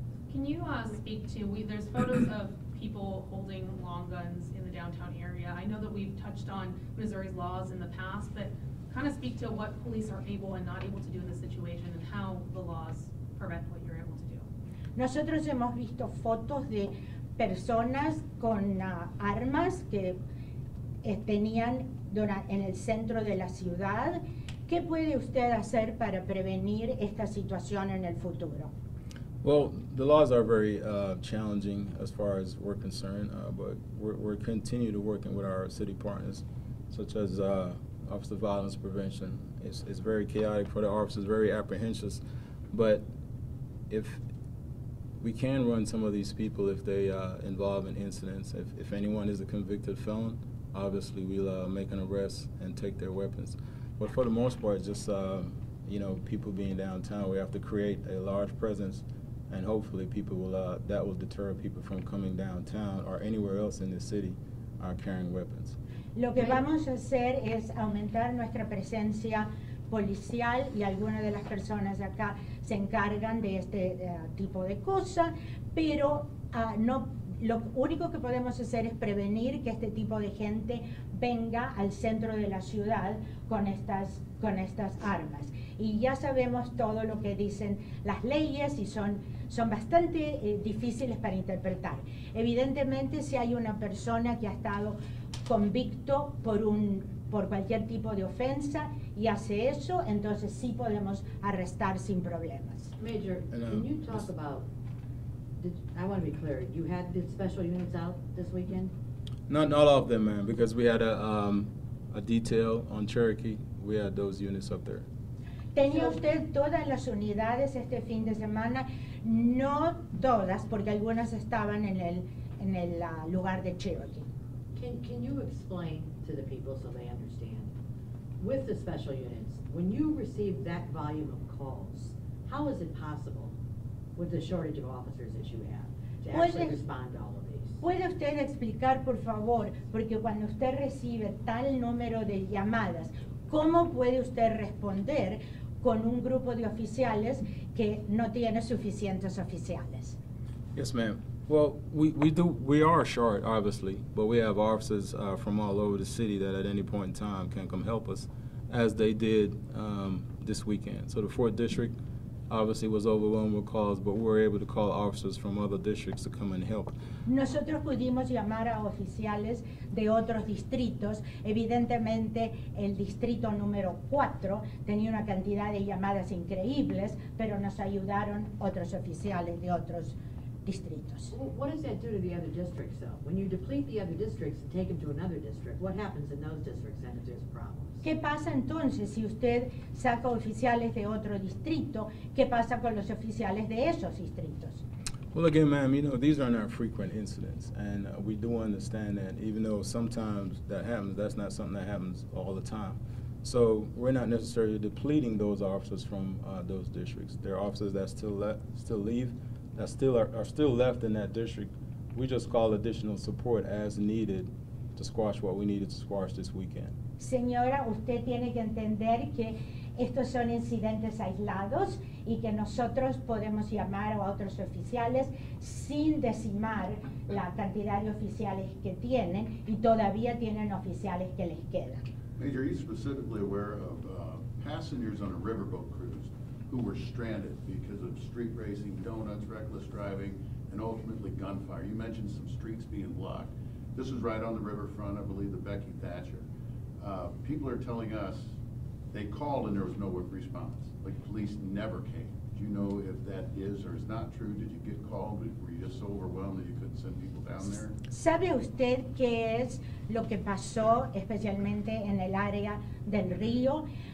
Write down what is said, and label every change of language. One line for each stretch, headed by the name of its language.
English: Can you speak to, there's photos of people holding long guns in the downtown area. I know that we've touched on Missouri's laws in the past, but kind of speak to what police are able and not able to do in this situation and how the laws prevent what you're able to do.
Spanish: Nosotros hemos visto fotos de personas con armas que tenían en el centro de la ciudad. ¿Qué puede usted hacer para prevenir esta situación en el futuro?
English: Well, the laws are very challenging as far as we're concerned, but we're continue to working with our city partners, such as Office of Violence Prevention. It's very chaotic for the officers, very apprehensive, but if we can run some of these people if they involve in incidents. If anyone is a convicted felon, obviously we'll make an arrest and take their weapons. But for the most part, just you know, people being downtown, we have to create a large presence, and hopefully people will that will deter people from coming downtown or anywhere else in the city carrying weapons.
Spanish: Lo que vamos a hacer es aumentar nuestra presencia policial y algunas de las personas de acá se encargan de este tipo de cosas, pero no, lo único que podemos hacer es prevenir que este tipo de gente venga al centro de la ciudad con estas armas. Y ya sabemos todo lo que dicen las leyes y son bastante difíciles para interpretar. Evidentemente, si hay una persona que ha estado convicto por un por cualquier tipo de ofensa y hace eso, entonces sí podemos arrestar sin problemas.
English: Major, can you talk about, I want to be clear, you had the special units out this weekend? Not all of them, ma'am, because we had a detail on Cherokee. We had those units up there.
Spanish: ¿Tenía usted todas las unidades este fin de semana? No todas, porque algunas estaban en el lugar de Cherokee.
English: Can you explain to the people so they understand? With the special units, when you receive that volume of calls, how is it possible with the shortage of officers that you have to actually respond to all of these?
Spanish: ¿Puede usted explicar, por favor, porque cuando usted recibe tal número de llamadas, ¿cómo puede usted responder con un grupo de oficiales que no tiene suficientes oficiales?
English: Yes, ma'am. Well, we are short, obviously, but we have officers from all over the city that at any point in time can come help us, as they did this weekend. So the 4th District obviously was overwhelmed with calls, but we were able to call officers from other districts to come and help.
Spanish: Nosotros pudimos llamar a oficiales de otros distritos. Evidentemente, el distrito número 4 tenía una cantidad de llamadas increíbles, pero nos ayudaron otros oficiales de otros distritos.
English: What does that do to the other districts, though? When you deplete the other districts and take them to another district, what happens in those districts then if there's a problem?
Spanish: ¿Qué pasa entonces si usted saca oficiales de otro distrito? ¿Qué pasa con los oficiales de esos distritos?
English: Well, again, ma'am, you know, these are not frequent incidents, and we do understand that even though sometimes that happens, that's not something that happens all the time. So we're not necessarily depleting those officers from those districts. There are officers that still left in that district. We just call additional support as needed to squash what we needed to squash this weekend.
Spanish: Señora, usted tiene que entender que estos son incidentes aislados y que nosotros podemos llamar a otros oficiales sin decimar la cantidad de oficiales que tienen y todavía tienen oficiales que les quedan.
English: Major, are you specifically aware of passengers on a riverboat cruise who were stranded because of street racing, donuts, reckless driving, and ultimately gunfire? You mentioned some streets being blocked. This is right on the riverfront, I believe, the Becky Thatcher. People are telling us they called and there was no response. Like, police never came. Do you know if that is or is not true? Did you get called? Were you just so overwhelmed that you couldn't send people down there?
Spanish: ¿Sabe usted qué es lo que pasó especialmente en el área del río?